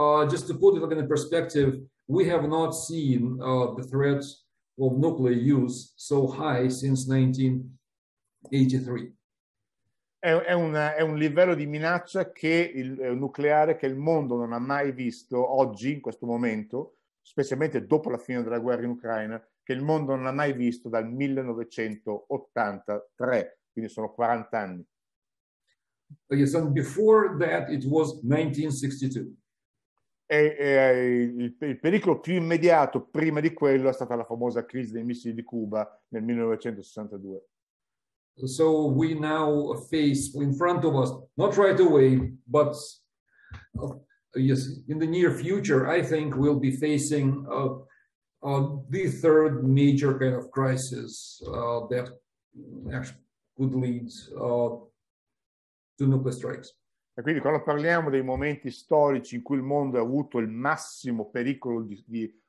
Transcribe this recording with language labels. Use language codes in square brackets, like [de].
[en] Just to put it in perspective, we have not seen the threat of nuclear use so high since 1983. [it] È un livello di minaccia che il nucleare che il mondo non ha mai visto oggi, in questo momento, specialmente dopo la fine della guerra in Ucraina, che il mondo non ha mai visto dal 1983, quindi sono 40 anni. [en] Yes, and before that it was 1962. [it] Il pericolo più immediato prima di quello è stata la famosa crisi dei missili di Cuba nel 1962. [en] So we now face in front of us, not right away, but yes, in the near future, I think we'll be facing the third major kind of crisis that actually could lead to nuclear strikes. [it] E quindi quando parliamo dei momenti storici in cui il mondo ha avuto il massimo pericolo di